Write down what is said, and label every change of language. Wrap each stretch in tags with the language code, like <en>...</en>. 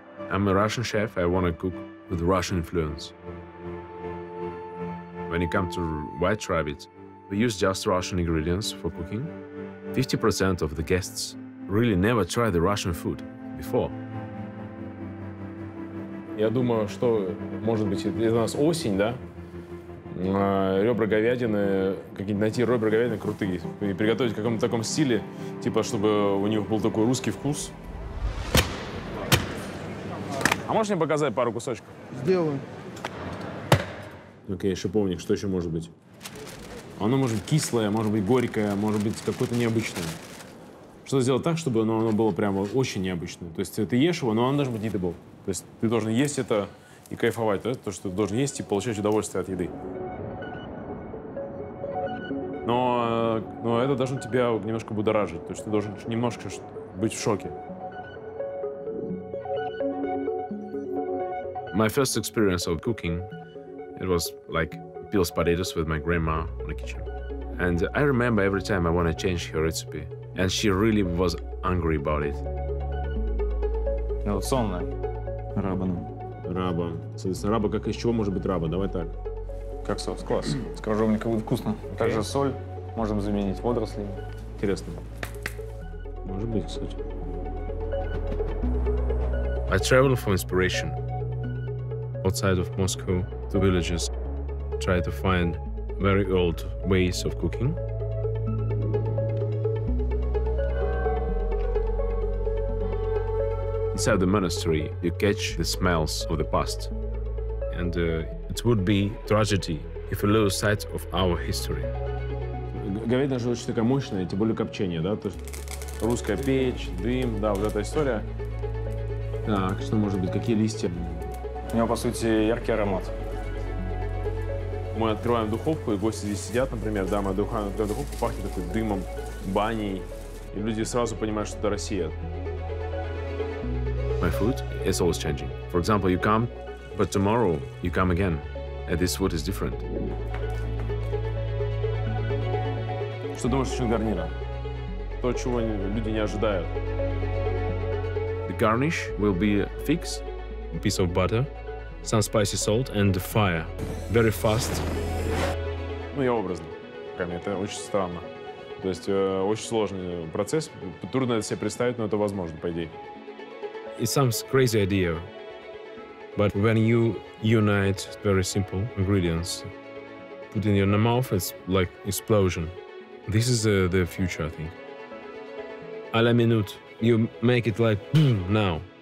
<en>I'm a Russian chef. I want to cook with Russian influence. When it comes to white rabbit, we use just Russian ingredients for cooking. 50% of the guests really never tried the Russian food before.</en> <ru>Я думаю, что, может быть, для нас осень, да? Ребра говядины, какие-нибудь найти ребра говядины крутые и приготовить в каком-то таком стиле, типа, чтобы у них был такой русский вкус. А можешь мне показать пару кусочков? Сделаю. Окей, шиповник, что еще может быть? Оно может быть кислое, может быть горькое, может быть какое-то необычное. Что сделать так, чтобы оно было прямо очень необычное? То есть ты ешь его, но оно должно быть eatable. То есть ты должен есть это и кайфовать, да? То, что ты должен есть и получать удовольствие от еды. Но это должно тебя немножко будоражить. То есть ты должен немножко быть в шоке.</ru> <en>My first experience of cooking, it was like peeled potatoes with my grandma in the kitchen. And I remember every time I want to change her recipe. And she really was angry about it.</en> <ru>Солнце. Рабаном. Раба. Соответственно, раба, как из чего может быть раба? Давай так. Как соус? Класс. Скажу, мне как будет вкусно.</ru> <en>Okay.</en> <ru>Также соль можем заменить водоросли. Интересно. Может быть, кстати.</ru> <en>I travel for inspiration. Outside of Moscow, to villages. Try to find very old ways of cooking. Inside the monastery, you catch the smells of the past. And it would be tragedy if we lose sight of our history.</en> <ru>Говядина же очень такая мощная, тем более копчение, да? То есть русская печь, дым, да, вот эта история. Так, что может быть, какие листья? У него, по сути, яркий аромат. Мы открываем духовку, и гости здесь сидят, например, да, мы открываем духовку, пахнет такой дымом, баней, и люди сразу понимают, что это Россия.</ru> <en>My food is always changing. For example, you come, but tomorrow you come again, and this food is different.</en> <ru>Что думаешь насчет гарнира? То, чего люди не ожидают.</ru> <en>The garnish will be fix, a piece of butter, some spicy salt, and fire. Very fast.</en> <ru>Ну, я образно. Это очень странно. То есть очень сложный процесс. Трудно это себе представить, но это возможно, по идее.</ru> <en>It sounds crazy idea, but when you unite very simple ingredients, put in your mouth, it's like explosion. This is the future, I think. A la minute, you make it like boom, now.</en>